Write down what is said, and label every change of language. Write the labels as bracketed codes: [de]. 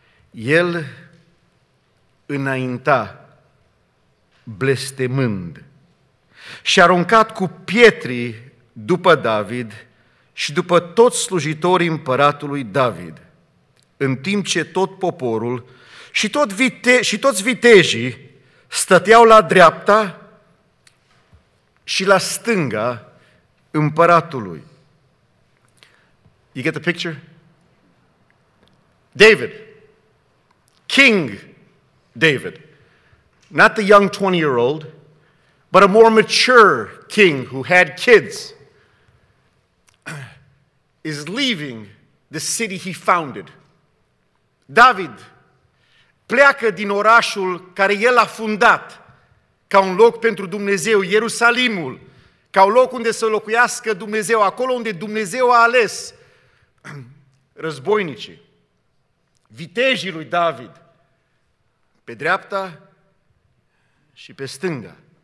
[ro] El înainta blestemând și aruncat cu pietri după David și după toți slujitorii împăratului David, în timp ce tot poporul și toți vitejii stăteau la dreapta și la stânga împăratului. [en] You get the picture? David, King David, not the young 20-year-old, but a more mature king who had kids, is leaving the city he founded. [ro] David pleacă din orașul care el a fundat ca un loc pentru Dumnezeu, Ierusalimul, ca un loc unde să locuiască Dumnezeu, acolo unde Dumnezeu a ales războinicii, vitejii lui David, pe dreapta și pe stânga.